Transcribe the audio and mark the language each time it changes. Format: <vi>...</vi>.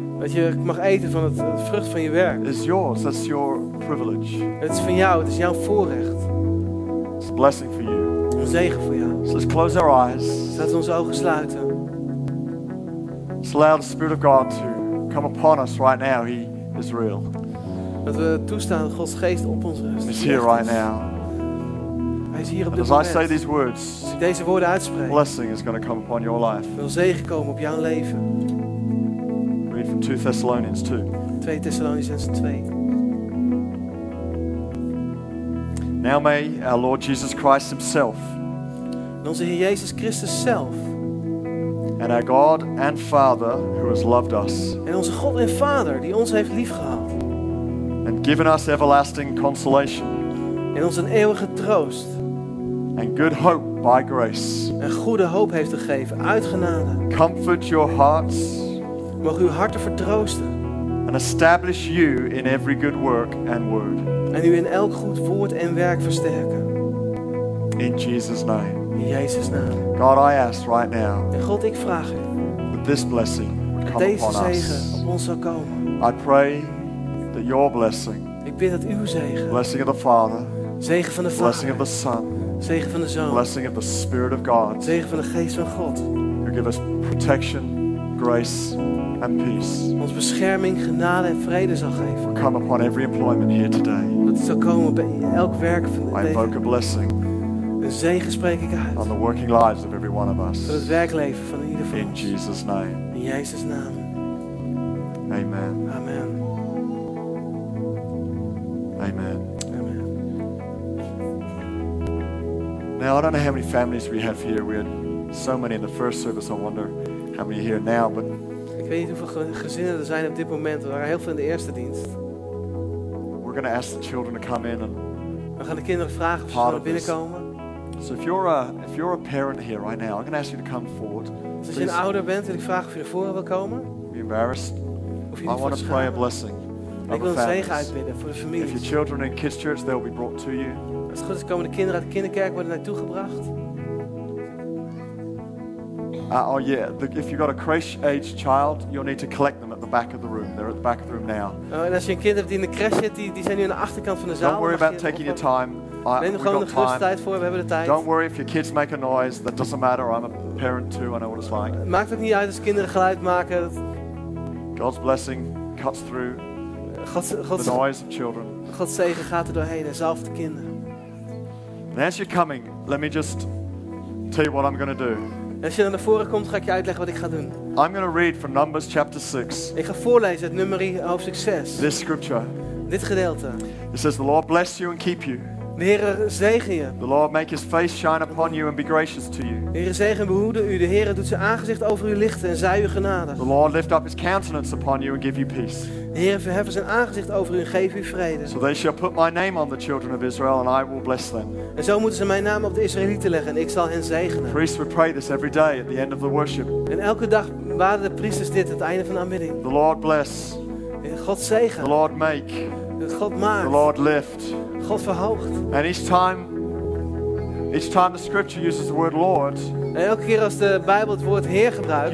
<nl>Dat je mag eten van het vrucht van je werk.</nl> <en>It's yours, that's your privilege.</en> <nl>Het is van jou, het is jouw voorrecht.</nl> <en>It's a blessing for you.</en> <nl>Een zegen voor jou.</nl> <en>So let's close our eyes.</en> <nl>Laten we onze ogen sluiten.</nl> <en>Let's allow the Spirit of God to come upon us right now. He is real.</en> <nl>Dat we toestaan dat Gods geest op ons rust.</nl> <en>He's here right now.</en> <nl>Hij is hier op</nl> <en>And</en> <nl>dit moment.</nl> <en>As I say these words,</en> <nl>als ik deze woorden uitspreek.</nl> <en>Blessing is going to come upon your life.</en> <nl>Wil zegen komen op jouw leven.</nl> <en>From 2 Thessalonians 2. 2 Thessalonians 2. Now may our Lord Jesus Christ Himself,</en> <nl>en onze Heer Jezus Christus zelf,</nl> <en>and our God and Father who has loved us,</en> <nl>en onze God en Vader die ons heeft lief gehad,</nl> <en>and given us everlasting consolation,</en> <nl>en ons een eeuwige troost,</nl> <en>and good hope by grace,</en> <nl>en goede hoop heeft gegeven uit genade,</nl> <en>comfort your hearts.</en> <nl>Mogen uw harten vertroosten.</nl> <en>And establish you in every good work and word.</en> <nl>En u in elk goed woord en werk versterken.</nl> <en>In Jesus' name.</en> <nl>In Jezus' naam.</nl> <en>God, I ask right now.</en> <nl>En God, ik vraag u.</nl> <en>That this blessing would come</en> <nl>deze</nl> <en>upon</en> <nl>zegen</nl> <en>us.</en> <nl>Op ons zou komen.</nl> <en>I pray that your blessing.</en> <nl>Ik bid dat uw zegen.</nl> <en>Blessing of the Father.</en> <nl>Zegen van de Vader.</nl> <en>Blessing of the Son.</en> <nl>Zegen van de Zoon.</nl> <en>Blessing of the Spirit of God.</en> <nl>Zegen van de Geest van God.</nl> <en>Who give us protection. Grace and peace.</en> <nl>Ons bescherming, genade en vrede zal geven.</nl> <en>Come upon every employment here today.</en> <nl>Dat zal komen bij elk werk van deze.</nl> <en>I invoke a blessing.</en> <nl>Een zegen spreek ik uit.</nl> <en>On the working lives of every one of us.</en> <nl>Voor het werkleven van ieder. leiden voor in ons.</nl> <en>Jesus name.</en> <nl>In Jezus' naam.</nl> <en>Amen. Amen. Amen. Amen. Now, I don't know how many families we have here. We had so many in the first service. I wonder how many are here now. But</en> <nl>ik weet niet hoeveel gezinnen er zijn op dit moment. Er waren heel veel in de eerste dienst.</nl> <en>We're going to ask the children to come in and</en> <nl>we gaan de kinderen vragen of ze naar binnen komen.</nl> <en>So if you're a parent here right now, I'm going to ask you to come forward.</en> <nl>Als je een ouder bent, wil ik vragen of je naar voren wil komen.</nl> <en>Be embarrassed. I want to pray a blessing.</en> <nl>Ik wil een zegen uitbidden voor de familie.</nl> <en>If your children are in kids church, they'll be brought to you.</en> <nl>Als het goed is, komen de kinderen uit de kinderkerk worden naartoe gebracht.</nl> <en>If you've got a crèche-age child, you'll need to collect them at the back of the room. They're at the back of the room now.</en> <nl>En als je een kind hebt die in de crèche zit, die zijn nu aan de achterkant van de zaal.</nl> <en>Don't worry about taking your time.</en> <nl>Neem gewoon de gerust tijd voor. We hebben de tijd.</nl> <en>Don't worry if your kids make a noise. That doesn't matter. I'm a parent too. I know what it's like.</en> <nl>Maakt het niet uit als kinderen geluid maken.</nl> <en>God's blessing cuts through God's the noise of children.</en> <nl>God's zegen gaat er doorheen en zelf de kinderen.</nl> <en>And as you're coming, let me just tell you what I'm going to do.</en> <nl>Als je dan naar voren komt, ga ik je uitleggen wat ik ga doen.</nl> <en>I'm going to read from Numbers chapter 6.</en> <nl>Ik ga voorlezen uit Numeri hoofdstuk 6.</nl> <en>This scripture.</en> <nl>Dit gedeelte.</nl> <en>It says, the Lord bless you and keep you.</en> <nl>De Heer zegen je.</nl> <en>The Lord make his face shine upon you and be gracious to you.</en> <nl>De Heer zegen en behoede u. De Heer doet zijn aangezicht over u lichten en zij u genadig.</nl> <en>The Lord lift up his countenance upon you and give you peace.</en> <nl>De Heer verheffen zijn aangezicht over u en geef u vrede.</nl> <en>So they shall put my name on the children of Israel and I will bless them.</en> <nl>En zo moeten ze mijn naam op de Israëlieten leggen en ik zal hen zegenen.</nl> <en>Priests would pray this every day at the end of the worship.</en> <nl>En elke dag baden de priesters dit het einde van de aanbidding.</nl> <en>The Lord bless.</en> <nl>God zegen.</nl> <en>The Lord make.</en> <nl>God maakt.</nl> <en>The Lord lift.</en> <nl>God verhoogt.</nl> <en>And each time the scripture uses the word Lord.</en> <nl>En elke keer als de Bijbel het woord Heer gebruikt.</nl>